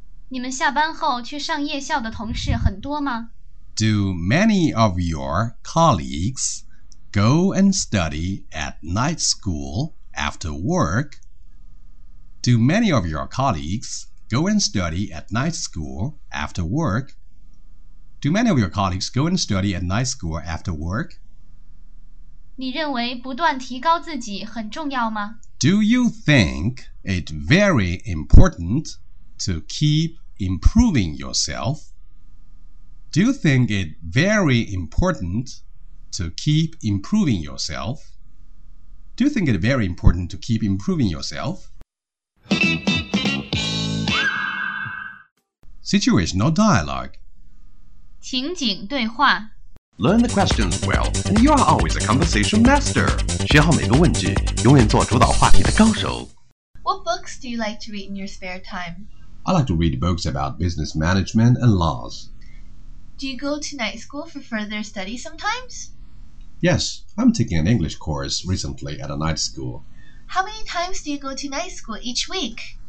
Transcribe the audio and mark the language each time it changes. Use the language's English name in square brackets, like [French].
[Chinese] 你们下班后去上夜校的同事很多吗? [English] Do many of your colleagues go and study at night school after work? Do many of your colleagues go and study at night school after work? Do many of your colleagues go and study at night school after work? [Chinese] 你认为不断提高自己很重要吗? [English] Do you think it very important to keep improving yourself? Do you think it very important to keep improving yourself? Do you think it very important to keep improving yourself? Situational dialogue. [Chinese] 情景对话 [English] Learn the questions well, and you are always a conversation master. [Chinese] 学好每个问句，永远做主导话题的高手。 [English] What books do you like to read in your spare time? I like to read books about business management and laws. Do you go to night school for further study sometimes? Yes, I'm taking an English course recently at a night school. How many times do you go to night school each week?